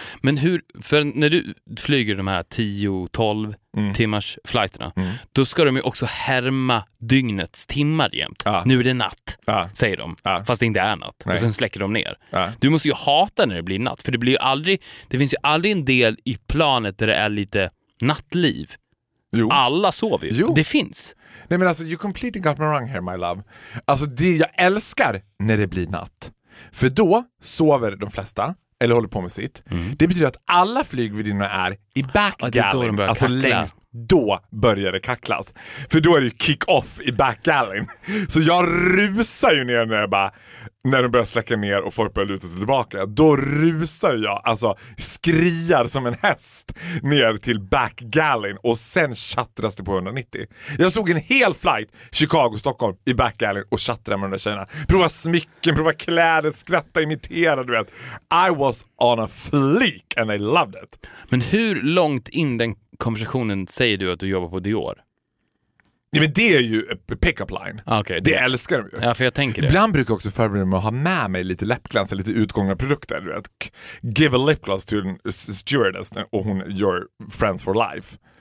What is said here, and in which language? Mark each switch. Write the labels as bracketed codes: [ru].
[sv] Men hur, för när du flyger de här 10-12 timmars flighterna, då ska de ju också härma dygnets timmar jämt. Nu är det natt, säger de. Fast det inte är natt. Nej. Och sen släcker de ner. Du måste ju hata när det blir natt. För det blir ju aldrig, det finns ju aldrig en del i planet där det är lite nattliv. Jo. Alla sover ju. Det finns. Nej, men alltså, [en] you completely got me wrong here, my love. [sv] Alltså, det jag älskar när det blir natt. För då sover de flesta, eller håller på med sitt. Mm. Det betyder att alla flygvärdinnor är i backgallen. Ja, alltså längst, då börjar det kacklas. För då är det ju kick-off i backgallen. Så jag rusar ju ner när de börjar släcka ner och folk börjar luta sig tillbaka. Då rusar jag, alltså skriar som en häst ner till backgallen. Och sen chattras det på 190. Jag såg en hel flight, Chicago-Stockholm, i backgallen och chattrade med de där tjejerna. Prova smycken, prova kläder, skratta, imitera, du vet. [en] I was on a fleek and I loved it. [sv] Men hur långt in den konversationen säger du att du jobbar på Dior? Nej, men det är ju pick-up line. [en] Okay, [sv] det älskar de ju. Ja, för jag tänker det. Ibland brukar jag också förbereda mig att ha med mig lite läppglans eller lite utgångna produkter. Du vet. [en] Give a lip gloss to a stewardess [sv] och hon, [en] your friends for life.